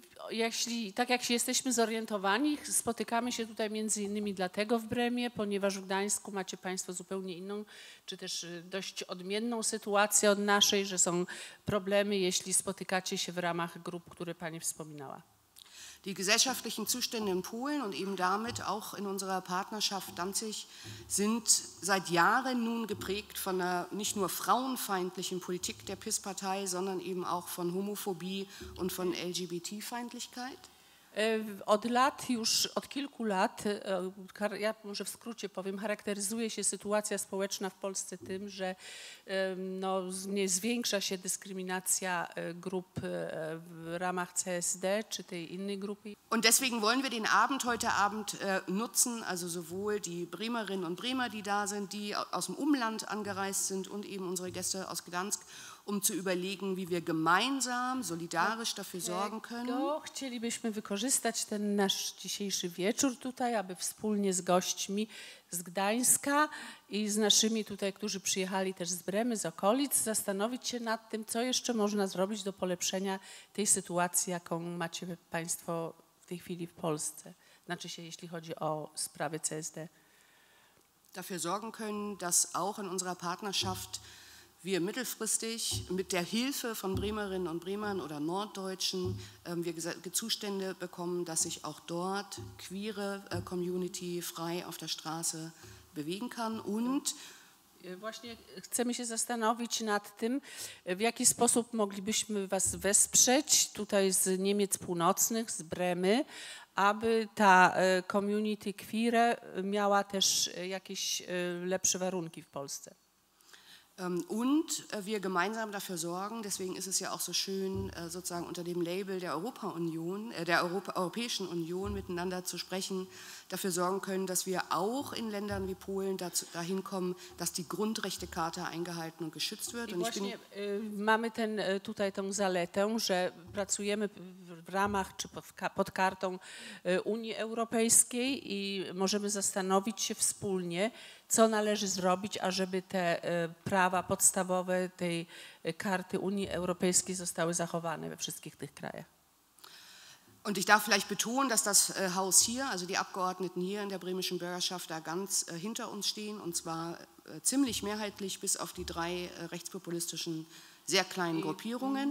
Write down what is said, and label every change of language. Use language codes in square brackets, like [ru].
[pl] Jeśli, tak jak się jesteśmy zorientowani, spotykamy się tutaj między innymi dlatego w Bremie, ponieważ w Gdańsku macie Państwo zupełnie inną, czy też dość odmienną sytuację od naszej, że są problemy, jeśli spotykacie się w ramach grup, które Pani wspominała. [de] Die gesellschaftlichen Zustände in Polen und eben damit auch in unserer Partnerschaft Danzig sind seit Jahren nun geprägt von einer nicht nur frauenfeindlichen Politik der PiS-Partei, sondern eben auch von Homophobie und von LGBT-Feindlichkeit. [pl] Od lat już, od kilku lat, ja może w skrócie powiem, charakteryzuje się sytuacja społeczna w Polsce tym, że no, nie zwiększa się dyskryminacja grup w ramach CSD czy tej innej grupy. [de] Und deswegen wollen wir den Abend heute Abend nutzen, also sowohl die Bremerinnen und Bremer, die da sind, die aus dem Umland angereist sind und eben unsere Gäste aus Gdansk, um zu überlegen, wie wir gemeinsam, solidarisch dafür sorgen können. [pl] Chcielibyśmy wykorzystać ten nasz dzisiejszy wieczór tutaj, aby wspólnie z gośćmi z Gdańska i z naszymi tutaj, którzy przyjechali też z Bremy, z okolic, zastanowić się nad tym, co jeszcze można zrobić do polepszenia tej sytuacji, jaką macie Państwo w tej chwili w Polsce, znaczy się, jeśli chodzi o sprawy CSD. [de] Dafür sorgen können, dass auch in unserer Partnerschaft wir mittelfristig mit der Hilfe von Bremerinnen und Bremern oder Norddeutschen wir Zustände bekommen, dass sich auch dort queere Community frei auf der Straße bewegen kann und [pl] właśnie chcemy się zastanowić nad tym, w jaki sposób moglibyśmy was wesprzeć tutaj z Niemiec Północnych, z Bremy, aby ta community queer miała też jakieś lepsze warunki w Polsce. [de] Und wir gemeinsam dafür sorgen, deswegen ist es ja auch so schön, sozusagen unter dem Label der Europa-Union, der Europäischen Union miteinander zu sprechen, dafür sorgen können, dass wir auch in Ländern wie Polen dahin kommen, dass die Grundrechtecharta eingehalten und geschützt wird. Und ich bin [pl] mamy ten, tutaj tą zaletę, że pracujemy w ramach czy pod kartą Unii Europejskiej i możemy zastanowić się wspólnie, co należy zrobić, ażeby te prawa podstawowe tej karty Unii Europejskiej zostały zachowane we wszystkich tych krajach. [de] Und ich darf vielleicht betonen, dass das Haus hier, also die Abgeordneten hier in der bremischen Bürgerschaft, da ganz hinter uns stehen und zwar ziemlich mehrheitlich bis auf die drei rechtspopulistischen sehr kleinen Gruppierungen.